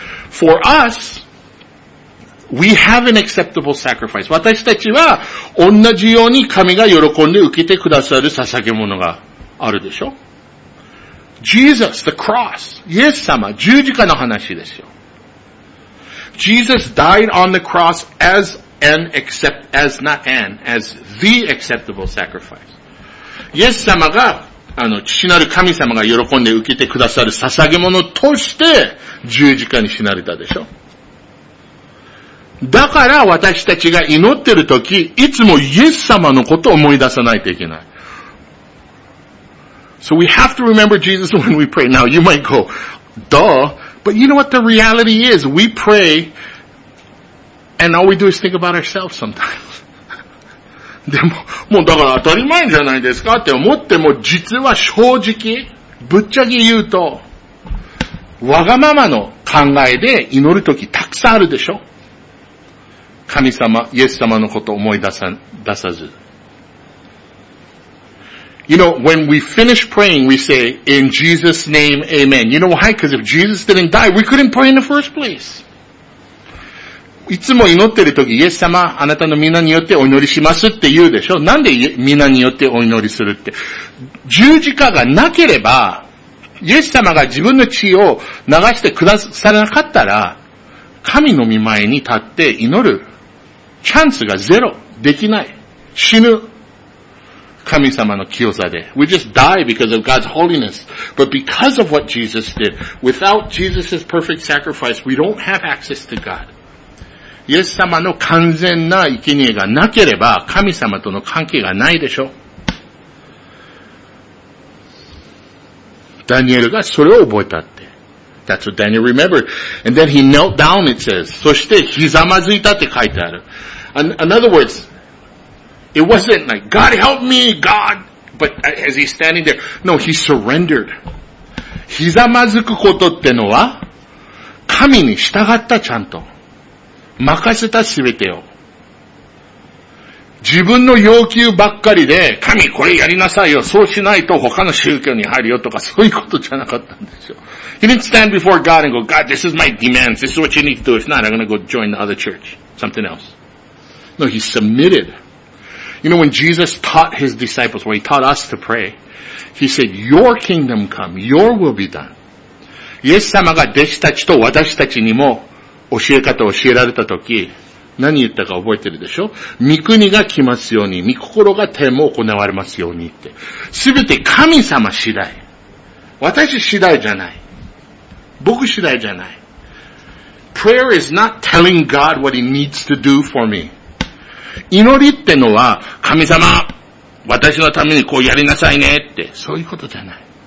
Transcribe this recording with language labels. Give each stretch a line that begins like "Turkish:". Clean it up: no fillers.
English: For us, we have an acceptable sacrifice.
Japanese: 私たちは、同じように神が喜んで受けてくださる捧げ物があるでしょ。
English: Jesus, the cross.
Japanese: イエス様、十字架の話ですよ。
English: Jesus died on the cross as an accept, as not an, as the acceptable sacrifice.
Japanese: イエス様が、あの、父なる神様が喜んで受けてくださる捧げ物として十字架に死なれたでしょ。だから私たちが祈ってるとき、いつもイエス様のことを思い出さないといけない。
English: So we have to remember Jesus when we pray. Now you might go, duh. But you know what the reality is? We pray, and all we do is think about ourselves sometimes.
Japanese: でも、もうだから当たり前じゃないですかって思っても、実は正直、ぶっちゃけ言うと、わがままの考えで祈るときたくさんあるでしょ。神様、イエス様のことを思い出さず。
English: You know, when we finish praying, we say, in Jesus' name, amen. You know why? Because if Jesus didn't die, we couldn't pray in the first place.
Japanese: いつも祈ってるとき、イエス様、あなたの皆によってお祈りしますって言うでしょ。なんで皆によってお祈りするって。十字架がなければ、イエス様が自分の血を流してくださらなかったら、神の御前に立って祈るチャンスがゼロ。できない。死ぬ。神様の清さで。
English: We just die because of God's holiness. But because of what Jesus did, without Jesus' perfect sacrifice, we don't have access to God.
Japanese: イエス様の完全な生贄がなければ、神様との関係がないでしょ。ダニエルがそれを覚えたって。
English: That's what Daniel remembered. And then he knelt down, it says.
Japanese: そしてひざまずいたって書いてある。
English: In other words,It wasn't like, God help me, God! But as he's standing there, no, he surrendered.
Japanese: ひざまずくことってのは、神に従ったちゃんと。任せたすべてを。自分の要求ばっかりで、神これやりなさいよ、そうしないと他の宗教に入るよとか、そういうことじゃなかったんですよ。
English: He didn't stand before God and go, God, this is my demands, this is what you need to do, if not, I'm gonna go join the other church, something else. No, he submitted. You know, when Jesus taught his disciples, when he taught us to pray, he said, your kingdom come, your will be done.
Japanese: イエス様が弟子たちと私たちにも教え方を教えられたとき、何言ったか覚えてるでしょ? 御国が来ますように、御心が天も行われますようにって。すべて神様次第。私次第じゃない。僕次第じゃない。
English: Prayer is not telling God what he needs to do for me.
Japanese: 祈りってのは神様私のためにこうやりなさいねってそういうことじゃない。